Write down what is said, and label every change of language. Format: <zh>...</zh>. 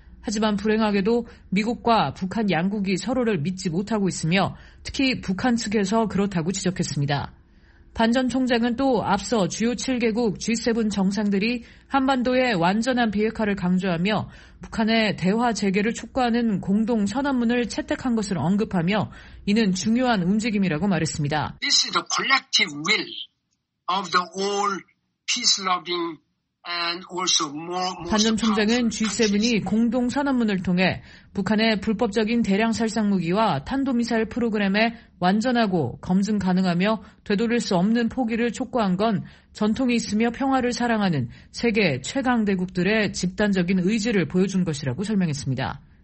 <ko>하지만 불행하게도 미국과 북한 양국이 서로를 믿지 못하고 있으며 특히 북한 측에서 그렇다고 지적했습니다. 반 전 총장은 또 앞서 주요 7개국 G7 정상들이 한반도의 완전한 비핵화를 강조하며 북한의 대화 재개를 촉구하는 공동 선언문을 채택한 것을 언급하며 이는 중요한 움직임이라고 말했습니다.</ko> <en>This is the collective will of the all peace-loving and also more.</en> <ko>반 전 총장은 G7이 공동 선언문을 통해 북한의 불법적인 대량 살상 무기와 탄도미사일 프로그램에 완전하고 검증 가능하며 되돌릴 수 없는 포기를 촉구한 건 전통이 있으며 평화를 사랑하는 세계 최강대국들의 집단적인 의지를 보여준 것이라고 설명했습니다.</ko>